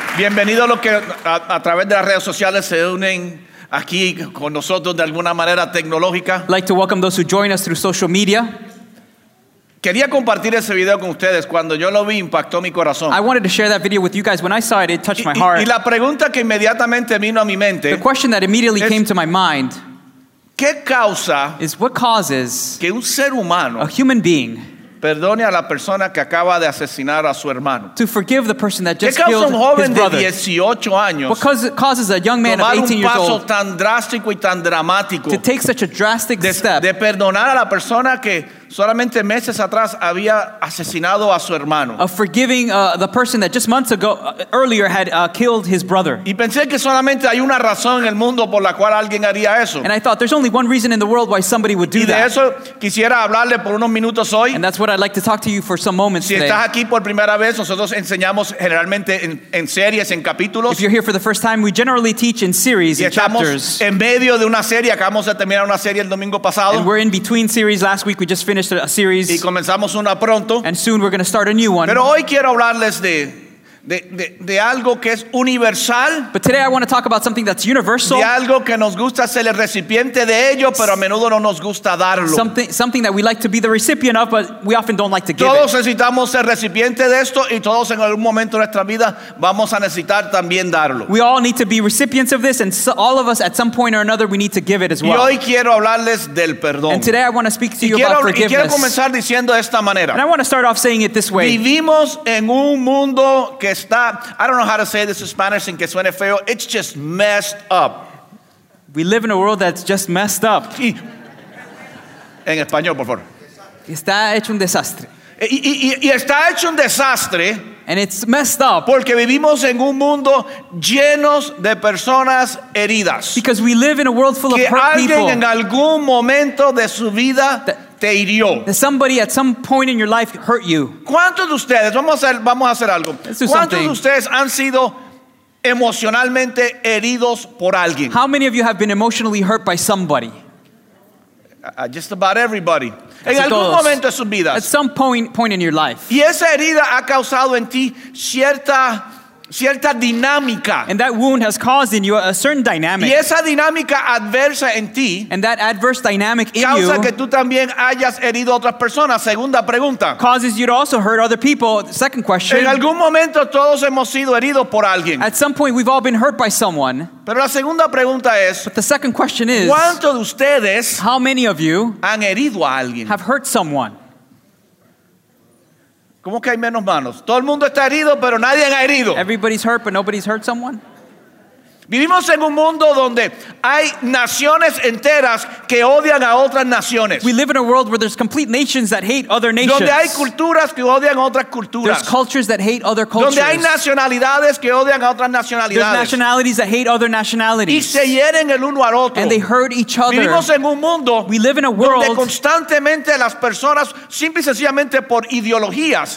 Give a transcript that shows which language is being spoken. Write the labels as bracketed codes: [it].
[es] Bienvenido a los que a través de las redes sociales se unen aquí con nosotros de alguna manera tecnológica. [en] I'd like to welcome those who join us through social media. [es] Quería compartir ese video con ustedes. Cuando yo lo vi, impactó mi corazón. [en] I wanted to share that video with you guys. When I saw it, it touched my heart. [es] Y la pregunta que inmediatamente vino a mi mente. [en] The question that immediately came to my mind. [es] ¿Qué causa [en] is what causes [es] que un ser humano, [en] a human being, [es] perdone a la persona que acaba de asesinar a su hermano? [en] To forgive the person that just killed his brother. [es] ¿Qué causa un joven de 18 años? [en] What causes a young man of 18 years old? [es] Tomar un paso tan drástico y tan dramático. [en] To take such a drastic step. [es] De perdonar a la persona que solamente meses atrás había asesinado a su hermano. [en] Of forgiving the person that just months ago, earlier had killed his brother. [es] Y pensé que solamente hay una razón en el mundo por la cual alguien haría eso. [en] And I thought there's only one reason in the world why somebody would do that. [es] Y de eso quisiera hablarle por unos minutos hoy. [en] And that's what I'd like to talk to you for some moments today. [es] Si estás aquí por primera vez, nosotros enseñamos generalmente en series, en capítulos. [en] If you're here for the first time, we generally teach in series, in chapters. [es] En medio de una serie, acabamos de terminar una serie el domingo pasado. [en] And we're in between series. Last week we just finished a series, [es] y comenzamos una pronto, [en] and soon we're going to start a new one. [es] Pero hoy quiero hablarles de algo que es universal. [en] But today I want to talk about something that's universal. [es] De algo que nos gusta ser el recipiente de ello, pero a menudo no nos gusta darlo. [en] Something that we like to be the recipient of, but we often don't like to give. [es] Todos necesitamos ser recipiente de esto, y todos en algún momento de nuestra vida vamos a necesitar también darlo. [en] We all need to be recipients of this, and all of us at some point or another we need to give it as well. [es] Y hoy quiero hablarles del perdón. [en] And today I want to speak to you about forgiveness. [es] Y quiero comenzar diciendo de esta manera. [en] And I want to start off saying it this way. [es] Vivimos en un mundo que está, [en] I don't know how to say this in Spanish [es] sin que suene feo, [en] it's just messed up. We live in a world that's just messed up. [es] Y, en español, por favor. Está hecho un desastre. Y está hecho un desastre. [en] And it's messed up. [es] Porque vivimos en un mundo llenos de personas heridas. [en] Because we live in a world full of hurt people. [es] Que alguien en algún momento de su vida te hirió. [en] That somebody at some point in your life hurt you. [es] ¿Cuántos de ustedes, vamos a hacer algo? [en] Let's do [es] ¿Cuántos [en] something. [es] De ustedes han sido emocionalmente heridos por alguien? [en] How many of you have been emotionally hurt by somebody? Just about everybody. [es] Casi en algún todos. Momento de sus vidas. [en] At some point in your life. [es] Y esa herida ha causado en ti cierta dinámica. [en] And that wound has caused in you a certain dynamic. [es] Y esa dinámica adversa en ti. [en] And that adverse dynamic in [es] causa [en] you. [es] Causa que tú también hayas herido a otras personas. Segunda pregunta. [en] Causes you to also hurt other people. Second question. [es] En algún momento todos hemos sido heridos por alguien. [en] At some point we've all been hurt by someone. [es] Pero la segunda pregunta es. [en] But the second question is. [es] ¿Cuántos de ustedes? [en] How many of you? [es] Han herido a alguien. [en] Have hurt someone. [es] ¿Cómo que hay menos manos? Todo el mundo está herido, pero nadie ha herido. [en] Everybody's hurt, but nobody's hurt someone. [es] Vivimos en un mundo donde hay naciones enteras que odian a otras naciones. [en] We live in a world where there's complete nations that hate other nations. [es] Donde hay culturas que odian a otras culturas. [en] There's cultures that hate other cultures. [es] Donde hay nacionalidades que odian a otras nacionalidades. [en] There's nationalities that hate other nationalities. [es] Y se hieren el uno al otro. [en] And they hurt each other. [es] Vivimos en un mundo [en] We live in a world [es] donde constantemente las personas, simple y sencillamente por ideologías,